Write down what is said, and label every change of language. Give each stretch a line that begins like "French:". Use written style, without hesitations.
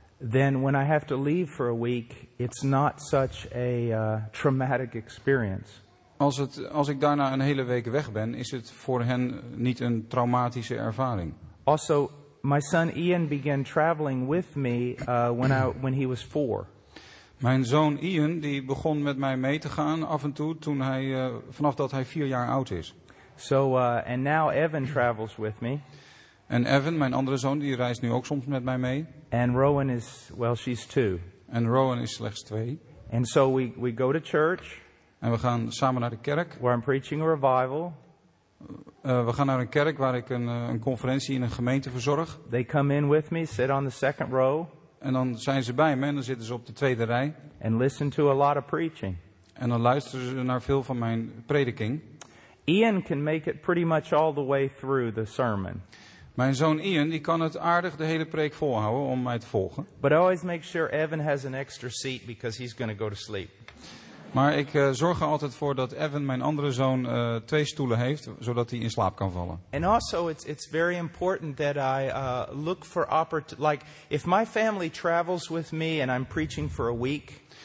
English: Then when I have to leave for a week, it's not such a traumatic experience.
Dutch: Als ik daarna een hele week weg ben, is het voor hen niet een traumatische ervaring.
English: Also, my son Ian began traveling with me when he was 4.
Dutch: Mijn zoon Ian die begon met mij mee te gaan af en toe toen hij vanaf dat hij 4 jaar oud is.
English: And now Evan travels with me.
Dutch: En Evan, mijn andere zoon, die reist nu ook soms met mij mee.
English: And Rowan is, well, she's 2.
Dutch: En Rowan is slechts 2.
English: And so we go to church.
Dutch: En we gaan samen naar de kerk.
English: Where I'm preaching a revival.
Dutch: We gaan naar een kerk waar ik een conferentie in een gemeente verzorg.
English: They come in with me, sit on the second row.
Dutch: En dan zijn ze bij me en dan zitten ze op de tweede rij.
English: And listen to a lot of preaching.
Dutch: En dan luisteren ze naar veel van mijn prediking.
English: Ian can make it pretty much all the way through the sermon.
Dutch: Mijn zoon Ian die kan het aardig de hele preek volhouden om mij te volgen.
English: But I always make sure Evan has an extra seat because he's going to go to sleep.
Dutch: Maar ik zorg er altijd voor dat Evan, mijn andere zoon, 2 stoelen heeft, zodat hij in slaap kan vallen.
English: And also it's very important that I look for like if my family travels with me and I'm preaching for a week.